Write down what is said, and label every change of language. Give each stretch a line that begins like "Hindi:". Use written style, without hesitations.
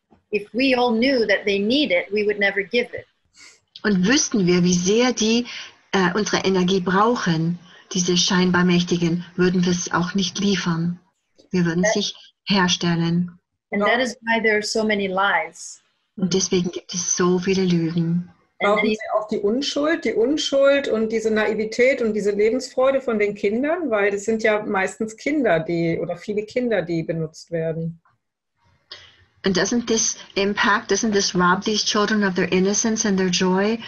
English: If we all knew that they need it, we would never give it.
German: Und wüssten wir, wie sehr die unsere Energie brauchen, diese scheinbar Mächtigen, würden wir es auch nicht liefern. Wir würden es nicht herstellen.
English: And that is why there are so many lies.
German: Und deswegen gibt es so viele Lügen. Brauchen Sie auch die Unschuld und diese Naivität und diese Lebensfreude von den Kindern? Weil es sind ja meistens Kinder, die benutzt werden.
English: And doesn't this impact, doesn't this rob these children of their innocence and their joy?